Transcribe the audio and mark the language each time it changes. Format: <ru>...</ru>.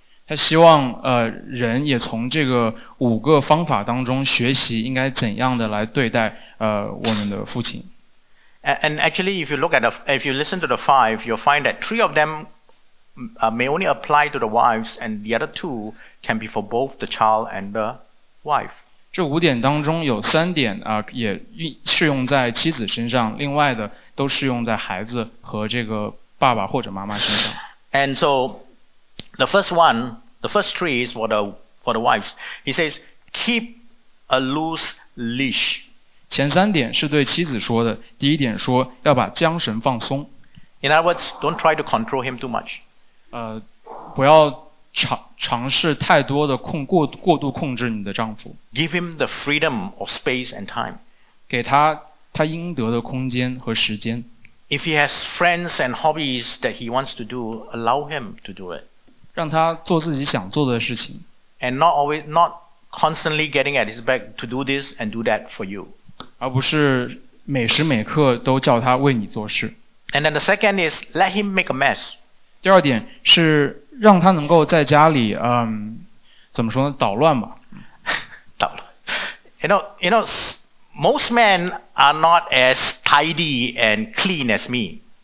<zh>他希望人也从这个五个方法当中学习应该怎样的来对待我们的父亲。</zh> <en>And actually, if you look at if you listen to the five, you'll find that three of them may only apply to the wives, and the other two can be for both the child and the wife.</en> <zh>这五点当中有三点也适用在妻子身上，另外的都适用在孩子和这个爸爸或者妈妈身上。</zh> <en>And so, the first one, the first three is for the wives. He says, keep a loose leash.</en> <zh>前三点是对妻子说的，第一点说要把缰绳放松。</zh> <en>In other words, don't try to control him too much.</en> <zh>不要尝试太多的过度控制你的丈夫。</zh> <en>Give him the freedom of space and time.</en> <zh>给他应得的空间和时间。</zh> <en>If he has friends and hobbies that he wants to do, allow him to do it.</en> <zh>让他做自己想做的事情。</zh> <en>And not constantly getting at his back to do this and do that for you.</en> <zh>而不是每时每刻都叫他为你做事。</zh> <en>And then the second is let him make a mess.</en> <zh>第二点是让他能够在家里怎么说呢，捣乱吧。捣乱。</zh> <en>You know, most men are not as tidy and clean as me.</en>